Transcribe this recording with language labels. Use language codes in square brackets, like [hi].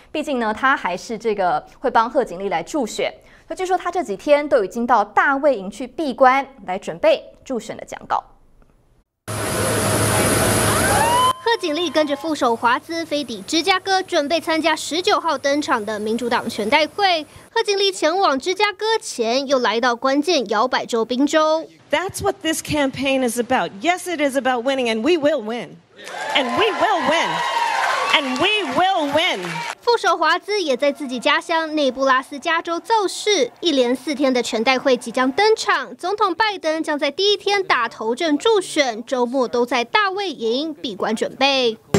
[zh] 毕竟呢，他还是这个会帮贺锦丽来助选，那据说他这几天都已经到大卫营去闭关，来准备助选的讲稿。贺锦丽跟着副手华兹飞抵芝加哥，准备参加19号登场的民主党全代会。贺锦丽前往芝加哥前，又来到关键摇摆州宾州。 [en] That's what this campaign is about. Yes, it is about winning, and we will win, and we will win, and we will win. [zh] 副手华兹也在自己家乡内布拉斯加州造势，一连4天的全代会即将登场。总统拜登将在第一天打头阵助选，周末都在大卫营闭关准备。